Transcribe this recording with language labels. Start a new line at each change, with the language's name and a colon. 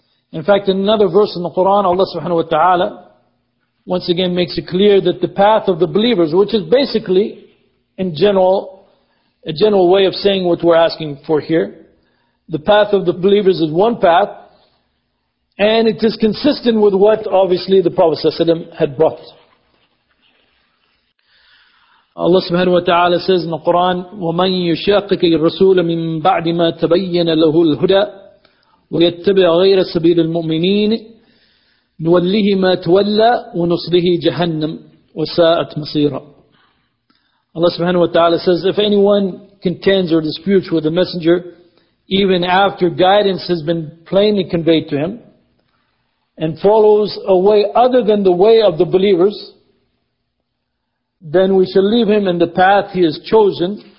English: In fact, in another verse in the Quran, Allah subhanahu wa ta'ala once again makes it clear that the path of the believers, which is basically, in general, a general way of saying what we're asking for here, the path of the believers is one path, and it is consistent with what, obviously, the Prophet ﷺ had brought. Allah subhanahu wa ta'ala says in the Quran,
Arabic: وَمَنْ يُشَاقِقِ الرَّسُولَ مِنْ بَعْدِ مَا تَبَيَّنَ لَهُ الْهُدَى وَيَتَّبِعَ غَيْرَ سَبِيلِ الْمُؤْمِنِينَ نُوَلِّهِ مَا تُوَلَّى وَنُصْلِهِ جَهَنَّمْ وَسَاءَتْ مَصِيرًا.
English: Allah subhanahu wa ta'ala says, if anyone contends or disputes with the messenger, even after guidance has been plainly conveyed to him, and follows a way other than the way of the believers, then we shall leave him in the path he has chosen.